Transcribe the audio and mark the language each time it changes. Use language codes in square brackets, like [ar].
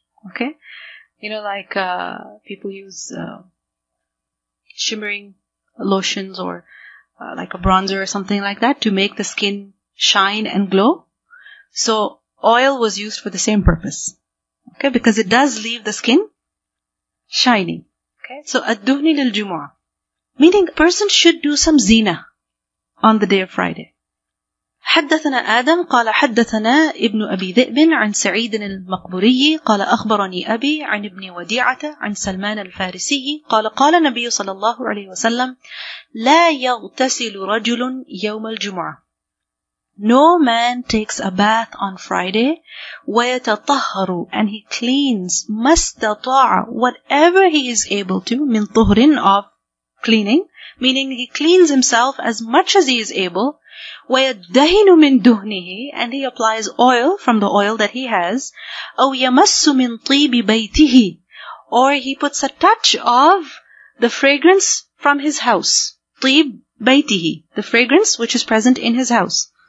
[en] Okay, you know, like people use shimmering lotions or like a bronzer or something like that to make the skin shine and glow. So oil was used for the same purpose. Okay, because it does leave the skin shiny. Okay, so adduhni lil jumu'ah, meaning a person should do some zina on the day of Friday. [ar] حدثنا آدم قال حدثنا ابن أبي ذئب عن سعيد المقبوري قال أخبرني أبي عن ابن وديعة عن سلمان الفارسي قال قال النبي صلى الله عليه وسلم لا يغتسل رجل يوم الجمعة. [en] No man takes a bath on Friday, [ar] ويتطهر, [en] and he cleans, [ar] ما استطاع, [en] whatever he is able to, [ar] من طهر, [en] of cleaning, meaning he cleans himself as much as he is able, [ar] وَيَدَّهِنُ مِن دُهْنِهِ, [en] and he applies oil from the oil that he has, [ar] أَوْ يَمَسُّ مِن طِيبِ بَيْتِهِ, [en] or he puts a touch of the fragrance from his house, [ar] طِيب بَيْتِهِ, [en] the fragrance which is present in his house.